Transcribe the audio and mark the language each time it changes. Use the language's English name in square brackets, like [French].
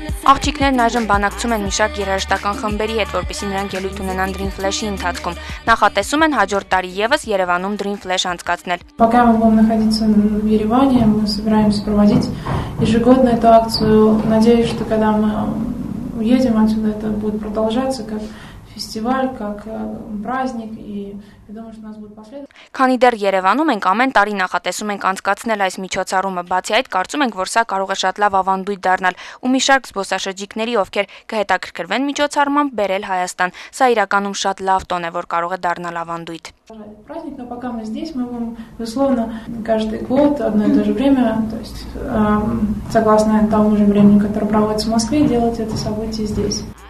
[Armenian] Աղջիկներն այժմ բանակցում են մի շարք երաժշտական խմբերի հետ, որպեսզի նրանք ելույթ ունենան Dream Flash-ի ընթացքում։ Նախատեսում են հաջորդ տարի ևս Երևանում Dream Flash անցկացնել։ [Russian] Пока мы будем находиться в Ереване, мы собираемся проводить ежегодно эту акцию. Надеюсь, что когда мы уедем отсюда, это будет продолжаться как фестиваль, как праздник, и я думаю, что у нас будет последовательность. [Armenian] Քանի դեռ Երևանում ենք, ամեն տարի նախատեսում ենք անցկացնել այս միջոցառումը, բացի այդ կարծում ենք, որ սա կարող է շատ լավ ավանդույթ դառնալ ու մի շարք զբոսաշրջիկների, ովքեր կհետաքրքրվեն միջոցառմամբ, բերել Հայաստան։ Սա իրականում շատ լավ տոն է, որ կարող է դառնալ ավանդույթ։ [Russian] Праздник, но пока мы здесь, мы будем, безусловно, каждый год одно и то же время, то есть, согласно тому же времени, которое проводится в Москве, делать это событие здесь.